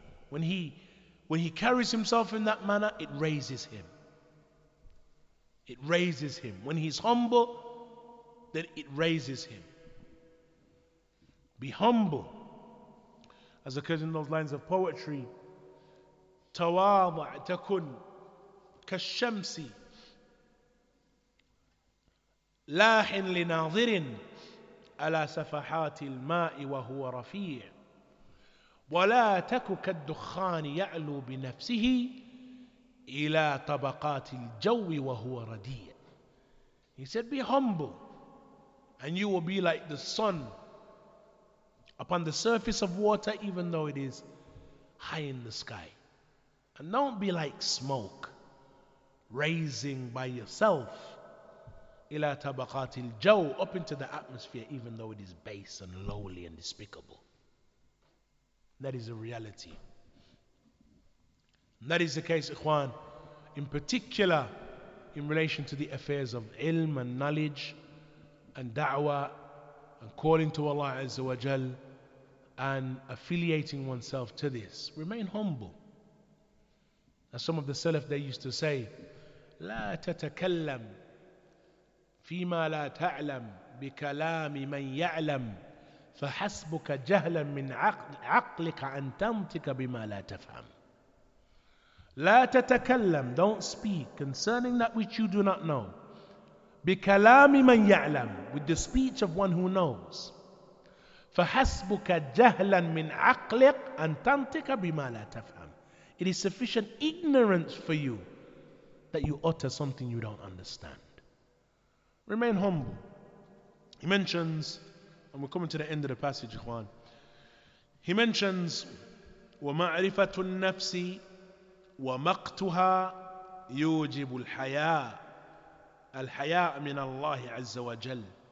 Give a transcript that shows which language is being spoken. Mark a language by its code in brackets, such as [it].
[en] When he carries himself in that manner, it raises him. It raises him. When he's humble, then it raises him. Be humble. As occurs in those lines of poetry, [ar] tawadha' takun kashamsi. لاحن لناظر على سفحات الماء وهو رفيع ولا تك كالدخان يعلو بنفسه إلى طبقات الجو وهو رديع. [en] He said, be humble and you will be like the sun upon the surface of water, even though it is high in the sky. And don't be like smoke raising by yourself [ar] إلى طبقات الجو, [en] up into the atmosphere, even though it is base and lowly and despicable. That is a reality. And that is the case, Ikhwan, in particular, in relation to the affairs of ilm and knowledge and da'wah and calling to Allah Azza wa Jal and affiliating oneself to this. Remain humble. As some of the Salaf, they used to say, [ar] لا تتكلم فيما لا تعلم بكلام من يعلم فحسبك جهلا من عقلك أن تنطق بما لا تفهم. لا تتكلم, [en] don't speak concerning that which you do not know. [ar] بكلام من يعلم, [en] with the speech of one who knows. [ar] فحسبك جهلا من عقلك أن تنطق بما لا تفهم. [en] It is sufficient ignorance for you that you utter something you don't understand. Remain humble. He mentions, and we're coming to the end of the passage, Ikhwan. He mentions, [ar] وَمَعْرِفَةُ النَّفْسِ وَمَقْتُهَا يُوجِبُ الْحَيَاءَ الْحَيَاءَ مِنَ اللَّهِ عَزَّ وَجَلَّ.